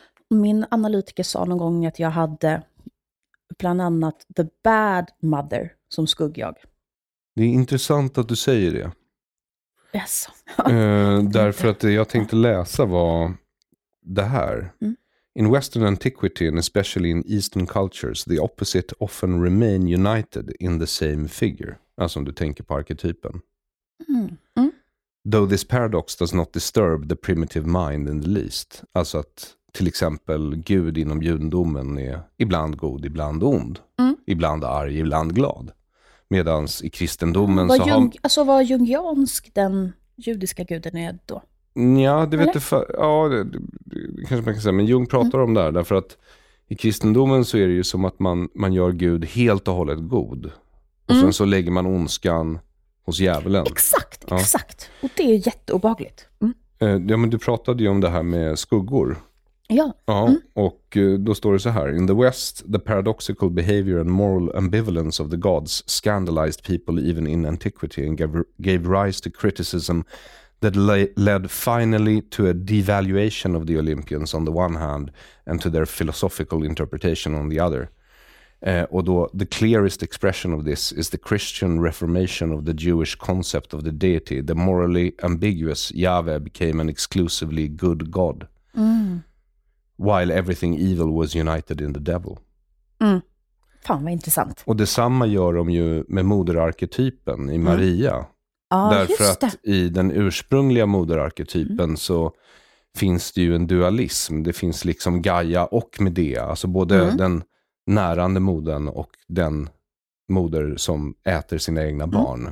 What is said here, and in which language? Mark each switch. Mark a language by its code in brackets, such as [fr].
[sv] Mm-hmm. Min analytiker sa någon gång att jag hade bland annat [en] the bad mother [sv] som skuggjag. Det är intressant att du säger det. [en] Yes. [sv] därför att jag tänkte läsa var det här. Mm. [en] In Western antiquity and especially in Eastern cultures, the opposite often remain united in the same figure. [sv] Alltså om du tänker på arketypen. [en] Though this paradox does not disturb the primitive mind in the least. [sv] Alltså att till exempel Gud inom judendomen är ibland god, ibland ond. Mm. Ibland arg, ibland glad. Medans i kristendomen var så Jung, har... Alltså var jungiansk den judiska guden är då? Ja, det vet du för... Ja, det kanske man kan säga. Men Jung pratar om det här. Därför att i kristendomen så är det ju som att man gör Gud helt och hållet god. Och sen så lägger man ondskan hos djävulen. Exakt, exakt. Och det är jätteobehagligt. Mm. Ja, men du pratade ju om det här med skuggor. Ja. Ja, och då står det så här: [en] In the West, the paradoxical behavior and moral ambivalence of the gods scandalized people even in antiquity and gave rise to criticism that led finally to a devaluation of the Olympians on the one hand and to their philosophical interpretation on the other. [sv] Och då, [en] the clearest expression of this is the Christian reformation of the Jewish concept of the deity. The morally ambiguous Yahweh became an exclusively good god. While everything evil was united in the devil. [sv] Mm. Fan, vad intressant. Och detsamma gör de ju med moderarketypen i Maria. Ja, just det. Därför att i den ursprungliga moderarketypen så finns det ju en dualism. Det finns liksom Gaia och Medea. Alltså både den närande modern och den moder som äter sina egna barn.